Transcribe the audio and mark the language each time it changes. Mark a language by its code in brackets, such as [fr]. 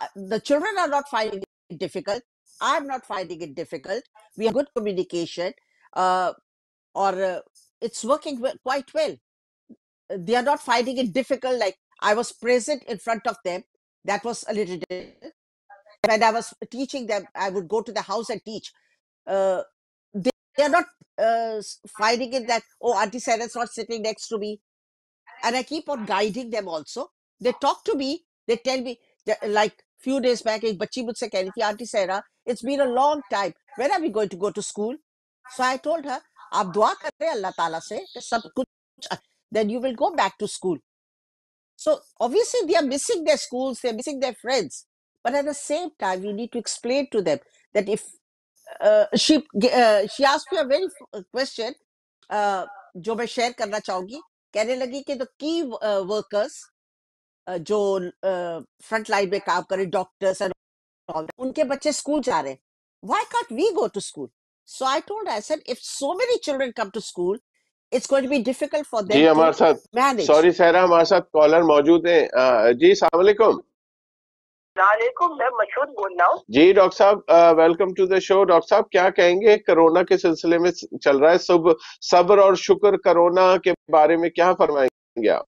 [en] The children are not finding it difficult, I am not finding it difficult, we have good communication और it's working quite well. They are not finding it difficult like I was present in front of them, that was a little different. When I was teaching them, I would go to the house and teach. They are not finding it that, oh, Auntie Sarah is not sitting next to me. And I keep on guiding them also. They talk to me, they tell me, like few days back, [hi] ek bachi mujhse keh rahi thi, [en] Auntie Sarah, it's been a long time. When are we going to go to school? So I told her, [hi] aap dua kar rahe Allah Ta'ala se, ke sab kuch, [en] then you will go back to school. So obviously they are missing their schools, they are missing their friends. But at the same time, you need to explain to them that if she asked me a very question, [hi] jo main share karna chahungi, kehne lagi ki [en] the key workers, [hi] jo front line mein kaam kare, [en] doctors and all, [hi] unke bachche school ja rahe. [en] Why can't we go to school? So I told her, I said, if so many children come to school, it's going to be difficult for them. [hi] जी हमारे साथ, sorry सहरा, हमारे साथ caller मौजूद हैं। जी अस्सलाम वालेकुम। वालेकुम, मैं मशहूर बोल रहा हूँ। जी डॉक्टर साहब, [en] Welcome to the show. [hi] Doctor साहब क्या कहेंगे, कोरोना के सिलसिले में चल रहा है सुबह, सब्र और शुक्र कोरोना के बारे में क्या फरमाएंगे